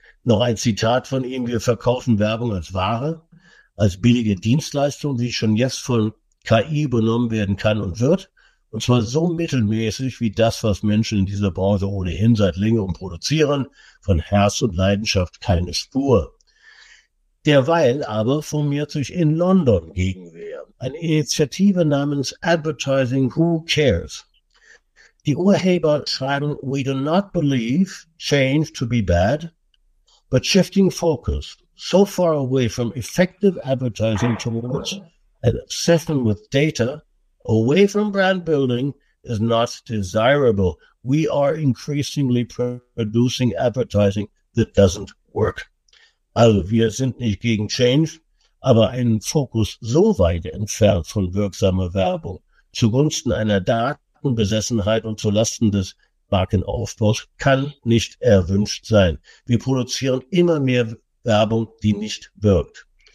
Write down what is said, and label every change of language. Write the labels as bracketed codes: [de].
[de] Noch ein Zitat von ihm: Wir verkaufen Werbung als Ware, als billige Dienstleistung, die schon jetzt von KI übernommen werden kann und wird. Und zwar so mittelmäßig wie das, was Menschen in dieser Branche ohnehin seit längerem produzieren. Von Herz und Leidenschaft keine Spur. Derweil aber formiert sich in London Gegenwehr. Eine Initiative namens Advertising Who Cares. [en] Die Urheber schreiben: We do not believe change to be bad, but shifting focus so far away from effective advertising towards an obsession with data, away from brand building, is not desirable. We are increasingly producing advertising that doesn't work. [de] Also, wir sind nicht gegen Change, aber einen Fokus so weit entfernt von wirksamer Werbung zugunsten einer Datenbesessenheit und zulasten des Markenaufbaus kann nicht erwünscht sein. Wir produzieren immer mehr Werbung, die nicht wirkt.